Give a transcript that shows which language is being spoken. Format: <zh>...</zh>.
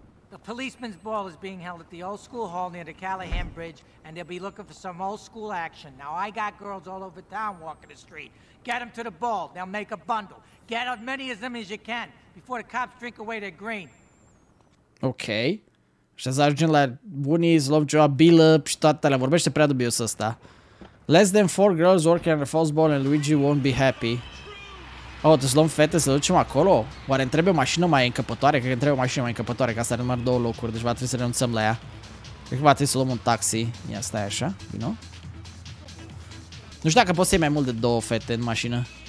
<en>The policeman's ball is being held at the old school hall near the Callahan Bridge, and they'll be looking for some old school action. Now I got girls all over town walking the street. Get them to the ball, they'll make a bundle. Get as many of them as you can before the cops drink away their green. Okay.</en> <ro>Și să ajungem la Woonies, Lovejoy, Billup și toate alea. Vorbește prea dubios ăsta.</ro> <en>Less than four girls working on the fuzzball and Luigi won't be happy.</en> <ro>Oh, trebuie să luăm fete, să ducem acolo? Oare îmi trebuie o mașină mai încăpătoare? Cred că îmi trebuie o mașină mai încăpătoare, că asta are numai două locuri, deci va trebui să renunțăm la ea. Cred că va trebui să luăm un taxi. Ia, stai așa, vino. Nu știu dacă poți să iei mai mult de două fete în mașină.</ro>